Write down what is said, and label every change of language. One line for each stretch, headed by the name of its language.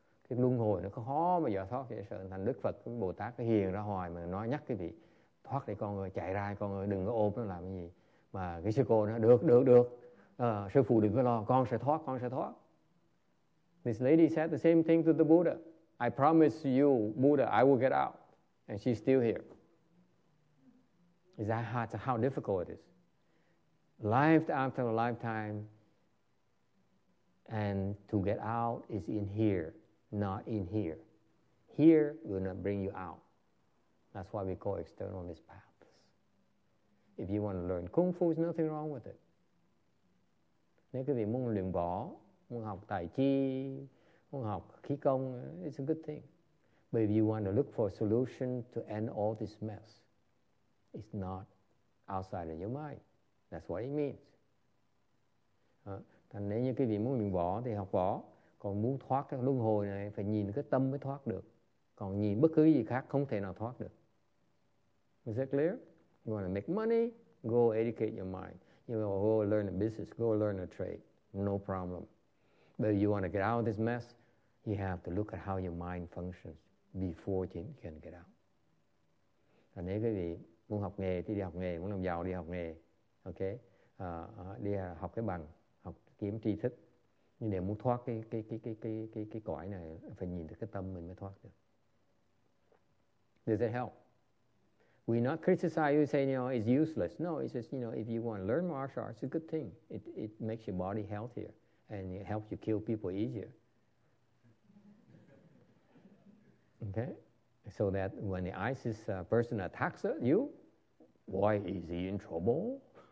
Vietnamese: Cái luân hồi nó khó mà giờ thoát, vậy sợ thành Đức Phật, Bồ Tát, cái hiền ra hoài mà nói nhắc cái vị, thoát đi con ơi, chạy ra con ơi, đừng có ôm nó làm cái gì. Mà cái sư cô nói, được, được, được, sư phụ đừng có lo, con sẽ thoát.
English: This lady said the same thing to the Buddha. I promise you, Buddha, I will get out. And she's still here. Is that how difficult it is? Life after a lifetime, and to get out is in here, not in here. Here will not bring you out. That's why we call externalist paths. If you want to learn Kung Fu, there's nothing wrong with it.
Vietnamese: Nếu quý vị muốn luyện võ, muốn học tài chi, muốn học khí công,
English: it's a good thing. But if you want to look for a solution to end all this mess, it's not outside of your mind. That's what it means.
Vietnamese: Thành nếu như quý vị muốn luyện võ thì học võ, còn muốn thoát cái luân hồi này phải nhìn cái tâm mới thoát được. Còn nhìn bất cứ gì khác không thể nào thoát được.
English: Is that clear? You want to make money? Go educate your mind. You want to go learn a business? Go learn a trade. No problem. But you want to get out of this mess, you have to look at how your mind functions before you can get out.
Vietnamese: Và nếu quý vị muốn học nghề thì đi học nghề, muốn làm giàu đi học nghề, okay? Đi học cái bằng, học kiếm tri thức. Nhưng nếu muốn thoát cái cõi này, phải nhìn được cái tâm mình mới thoát được.
English: Does that help? We not criticize you, say, you know, it's useless. No, it's just, you know, if you want to learn martial arts, it's a good thing. It makes your body healthier. And it helps you kill people easier. Okay? So that when the ISIS person attacks you, why is he in trouble?